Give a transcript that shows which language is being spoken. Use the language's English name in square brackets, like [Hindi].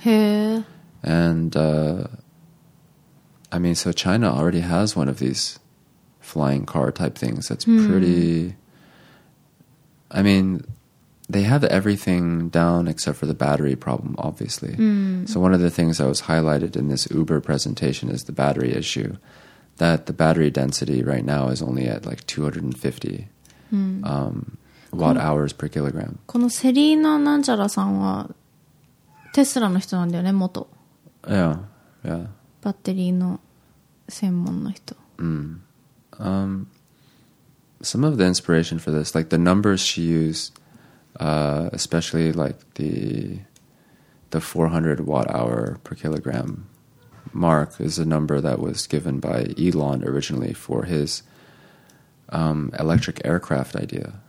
[English] And I mean, so China already has one of these flying car type things that's pretty, I mean, they have everything down except for the battery problem, obviously. So one of the things that was highlighted in this Uber presentation is the battery issue, that the battery density right now is only at like 250 watt hours per kilogram. [Japanese] このセリーナ・ナンチャラさんはテスラの人なんだよね、元。バッテリーの専門の人。 [English] Some of the inspiration for this, like the numbers she used, especially like the 400 watt hour per kilogram mark is a number that was given by Elon originally for his electric aircraft idea.